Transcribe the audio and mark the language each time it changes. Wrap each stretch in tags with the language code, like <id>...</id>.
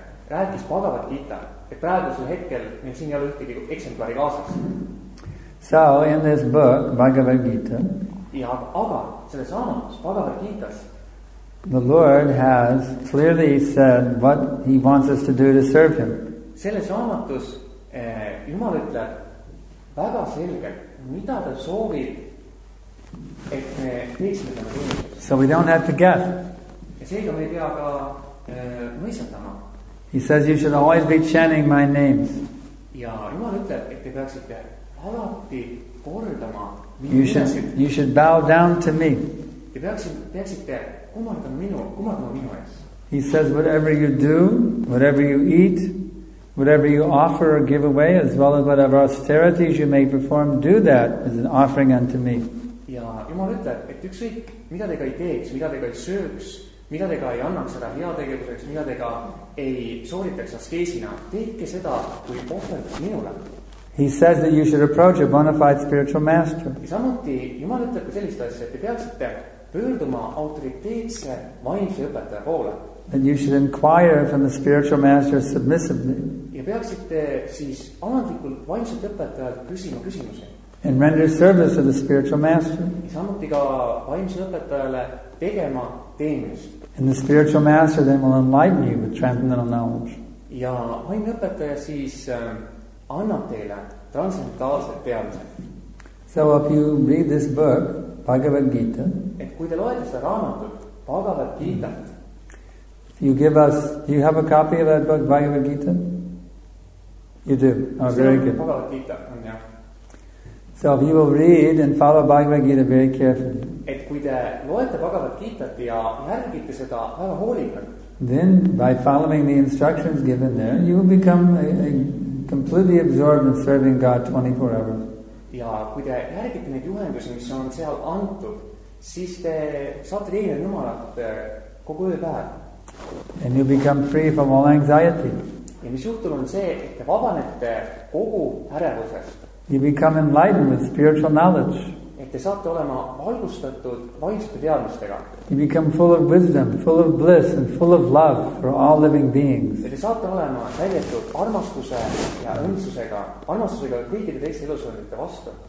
<et>Rääkis Bhagavad Gita, et praegusel hetkel meil siin ei ole ühtegi eksemplari kaasas.</et> <en>So, in this book, Bhagavad Gita,</en> <et>ja, aga selles samas, Bhagavad Gitas,</et> <en>the Lord has clearly said what he wants us to do to serve him.</en> <et>Selles raamatus Jumal ütleb väga selgelt, mida ta soovib, et me teeksime tema teenistuses.</et> <en>So we don't have to guess.</en> <et>Ja seega me ei pea ka mõisatama.</et> <en>He says you should always be chanting my names.</en> <et>Ja Jumal ütleb, et te peaksite alati kordama minu nimesid.</et> <en>You should bow down to me.</en> <et>Te peaksite kumardama minu ees.</et> <en>He says whatever you do, whatever you eat, whatever you offer or give away, as well as whatever austerities you may perform, do that as an offering unto me.</en> <et>Ja Jumal ütleb, et ükskõik, mida te ka ei teeks, mida te ka ei sööks, mida te ka ei annaks seda heategevuseks, mida te ka ei sooritaks askeesina, teeke seda kui ohverdus minule.</et> <en>He says that you should approach a bona fide spiritual master.</en> <et>Ja samuti Jumal ütleb ka sellist asja, et te peaksite pöörduma autoriteetse vaimse õpetaja poole.</et> <en>And you should inquire from the spiritual master submissively.</en> <et>Ja peaksite siis alandlikult vaimselt õpetajalt küsima küsimuse.</et> <en>And render service to the spiritual master.</en> <et>Ja samuti ka vaimselt õpetajale tegema teenust.</et> <en>And the spiritual master then will enlighten you with transcendental knowledge.</en> <et>Ja vaimselt õpetaja siis annab teile transcendentaalset teadmise.</et> <en>So if you read this book, Bhagavad Gita,</en> <et>et kui te loete seda raamatut, Bhagavad Gita,</et> <en>you give us, do you have a copy of that book, Bhagavad Gita? You do. Oh, very good. Bhagavad Gita, yeah. So if you will read and follow Bhagavad Gita very carefully,</en> <et>et kui te loete Bhagavad Gitat ja järgite seda väga hoolikalt,</et> <en>then by following the instructions given there, you will become a completely absorbed in serving God 24 hours.</en> <et>Ja kui te järgite need juhendusi, mis on seal antud, siis te saate teile Jumalat kogu öö päev.</et> <en>And you become free from all anxiety.</en> <et>Ja mis juhtul on see, et te vabanete kogu ärevusest.</et> <en>You become enlightened with spiritual knowledge.</en> <et>Et te saate olema valgustatud vaimsete teadmistega.</et> <en>You become full of wisdom, full of bliss and full of love for all living beings.</en> <et>Ja te saate olema täidetud armastuse ja õnnsusega, armastusega kõikide teiste elusolendite vastu.</et>